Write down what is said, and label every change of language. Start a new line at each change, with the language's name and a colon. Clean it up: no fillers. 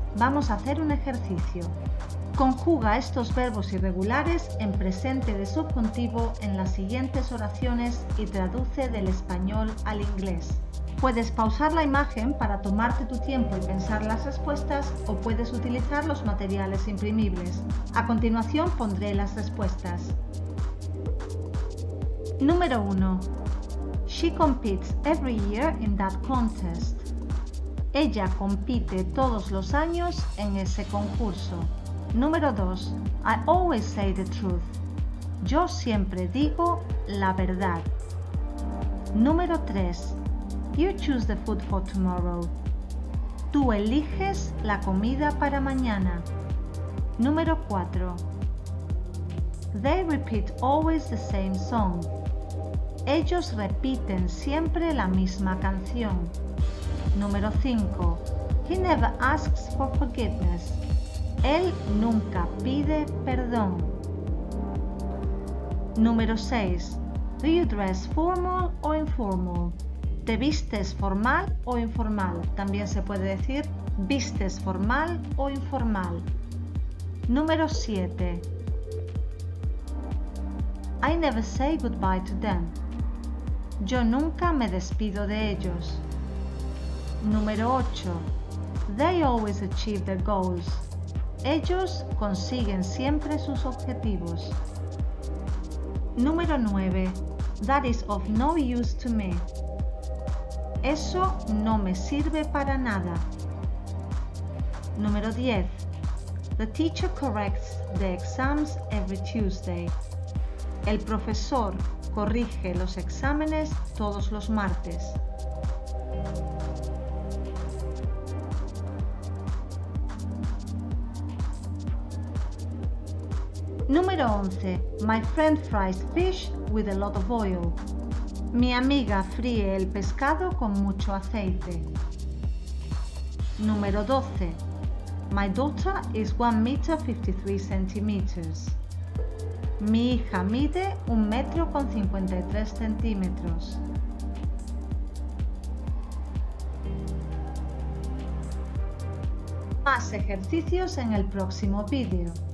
Spanish: Vamos a hacer un ejercicio. Conjuga estos verbos irregulares en presente de subjuntivo en las siguientes oraciones y traduce del español al inglés. Puedes pausar la imagen para tomarte tu tiempo y pensar las respuestas o puedes utilizar los materiales imprimibles. A continuación pondré las respuestas. Número 1.
English: She competes every year in that contest.
Spanish: Ella compite todos los años en ese concurso. Número 2.
English: I always say the truth.
Spanish: Yo siempre digo la verdad. Número 3.
English: You choose the food for tomorrow.
Spanish: Tú eliges la comida para mañana. Número 4.
English: They repeat always the same song.
Spanish: Ellos repiten siempre la misma canción. Número 5.
English: He never asks for forgiveness.
Spanish: Él nunca pide perdón. Número 6.
English: Do you dress formal or informal?
Spanish: ¿Te vistes formal o informal? También se puede decir vistes formal o informal. Número 7.
English: I never say goodbye to them.
Spanish: Yo nunca me despido de ellos. Número 8.
English: They always achieve their goals.
Spanish: Ellos consiguen siempre sus objetivos. Número 9.
English: That is of no use to me.
Spanish: Eso no me sirve para nada. Número 10.
English: The teacher corrects the exams every Tuesday.
Spanish: El profesor corrige los exámenes todos los martes. Número 11.
English: My friend fries fish with a lot of oil.
Spanish: Mi amiga fríe el pescado con mucho aceite. Número 12.
English: My daughter is 1 meter 53 centimeters.
Spanish: Mi hija mide 1 metro con 53 centímetros. Más ejercicios en el próximo vídeo.